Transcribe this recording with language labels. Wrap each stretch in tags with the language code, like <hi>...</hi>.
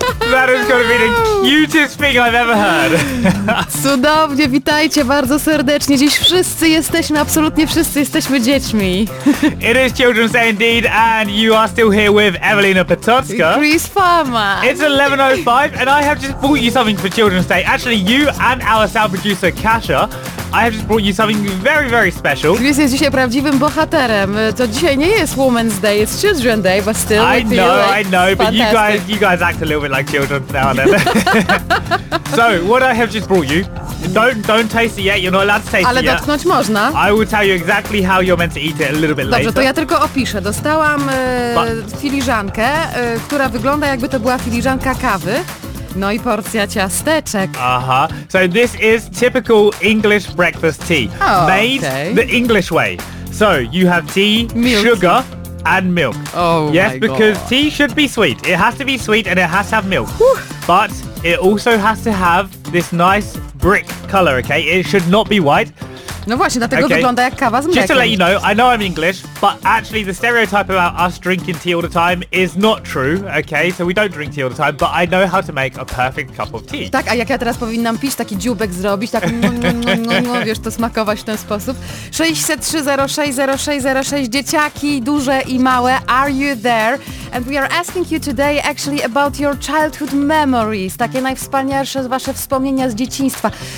<en>That is going to be the cutest thing I've ever heard.</en> <pl>Cudownie, witajcie bardzo serdecznie. Dziś wszyscy jesteśmy, absolutnie wszyscy jesteśmy dziećmi.</pl> <en>It is Children's Day indeed, and you are still here with Evelina Potocka. Chris Farmer. It's 11:05 and I have just bought you something for Children's Day. Actually, you and our sound producer, Kasia, I have just brought you something very, very special.</en> <pl>Chris jest dzisiaj prawdziwym bohaterem. To dzisiaj nie jest</pl> <en>Women's Day, it's Children's Day, but still I know, I know, but you guys act a little bit like children now and then. So, what I have just brought you, don't taste it yet, you're not allowed to taste it yet.</en> <pl>Ale dotknąć można.</pl> <en>I will tell you exactly how you're meant to eat it a little bit later.</en> <pl>Dobrze, to ja tylko opiszę. Dostałam filiżankę, która wygląda jakby to była filiżanka kawy. No i porcja ciasteczek. Aha.</pl> <en>So this is typical English breakfast tea. Oh, made okay. The English way. So you have tea, milk. Sugar, and milk. Oh, yes, my because God. Tea should be sweet. It has to be sweet and it has to have milk. Whew. But it also has to have this nice brick color, okay? It should not be white.</en> <pl>No właśnie, dlatego okay. Wygląda jak kawa z mlekiem.</pl> <en>Just to let you know, I know I'm English, but actually the stereotype about us drinking tea all the time is not true, okay? So we don't drink tea all the time, but I know how to make a perfect cup of tea.</en> <pl>Tak, a jak ja teraz powinnam pić, taki dzióbek zrobić, tak wiesz, to smakować w ten sposób. 603-0606-06, dzieciaki, duże i małe,</pl> <en>are you there? And we are asking you today actually about your childhood memories,</en> <pl>takie najwspanialsze wasze wspomnienia z dzieciństwa.</pl>